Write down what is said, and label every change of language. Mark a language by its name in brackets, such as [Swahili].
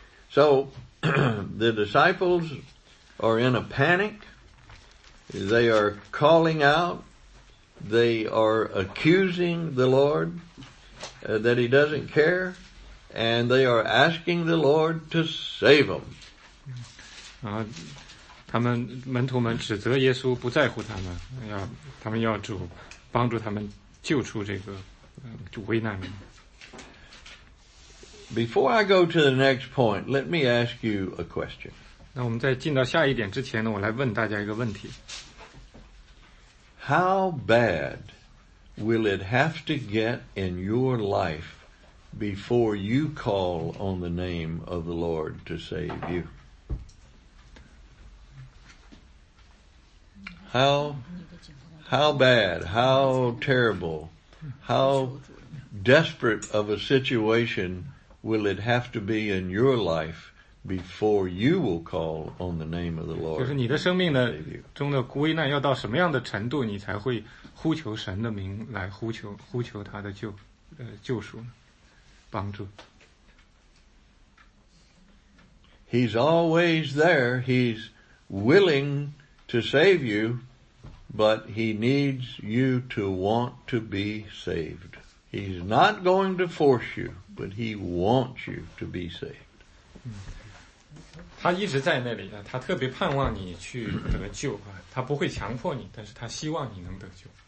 [English] So, the disciples are in a panic. They are calling out. They are accusing the Lord that he doesn't care. And they are asking the Lord to save them. [Chinese] 他们门徒们指责耶稣不在乎他们，他们要主帮助他们救出这个危难人。 [English] Before I go to the next point, let me ask you a question. [Chinese] 那我们在进到下一点之前呢，我来问大家一个问题。 [English] How bad will it have to get in your life before you call on the name of the Lord to save you? how bad, how terrible, how desperate of a situation will it have to be in your life before you will call on the name of the Lord? [Chinese] 就是你的生命的中的危难要到什么样的程度，你才会呼求神的名来呼求他的救赎帮助。 [English] He's always there. He's willing to save you, but he needs you to want to be saved. He's not going to force you, but he wants you to be saved. [Chinese] 他一直在那里，他特别盼望你去得救，他不会强迫你，但是他希望你能得救。